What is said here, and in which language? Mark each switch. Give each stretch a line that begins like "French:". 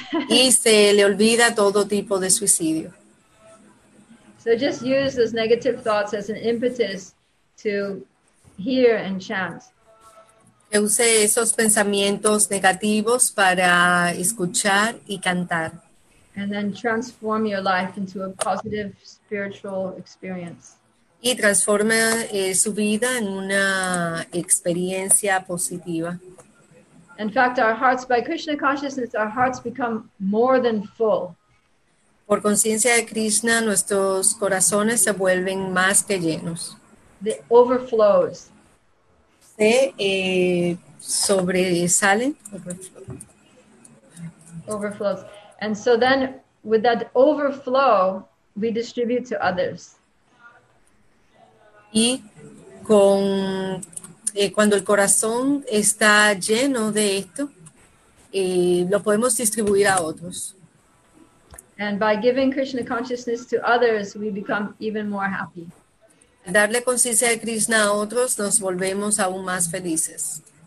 Spanish: Y se le olvida todo tipo de suicidio.
English: So just use those negative thoughts as an impetus to hear and chant.
Spanish: Que use esos pensamientos negativos para escuchar y cantar.
English: And then transform your life into a positive spiritual experience.
Spanish: Y transforme su vida en una experiencia positiva.
English: In fact, our hearts, by Krishna consciousness, our hearts become more than full.
Spanish: Por conciencia de Krishna, nuestros corazones se vuelven más que llenos.
English: The overflows.
Spanish: Se sobresalen.
English: Overflows. And so then, with that overflow, we distribute to others.
Spanish: Y con... cuando el corazón está lleno de esto, lo podemos distribuir a otros.
English: And by giving Krishna consciousness to others, we become even more happy.
Spanish: Darle conciencia de Krishna a otros, nos volvemos aún más felices.